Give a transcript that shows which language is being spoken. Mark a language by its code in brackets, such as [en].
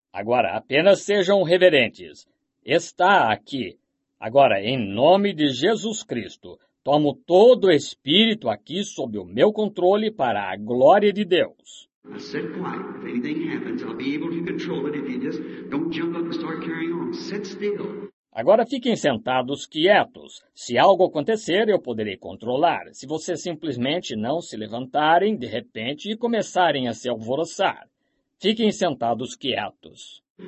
[pt] Agora, apenas sejam reverentes. Está aqui. Agora, em nome de Jesus Cristo, tomo todo o espírito aqui sob o meu controle para a glória de Deus. [en] I sit quiet. If anything happens, I'll be able to control it. If you just don't jump up and start carrying on, sit still. [pt] Agora fiquem sentados, quietos. Se algo acontecer, eu poderei controlar. Se vocês simplesmente não se levantarem, de repente, e começarem a se alvoroçar. Fiquem sentados, quietos.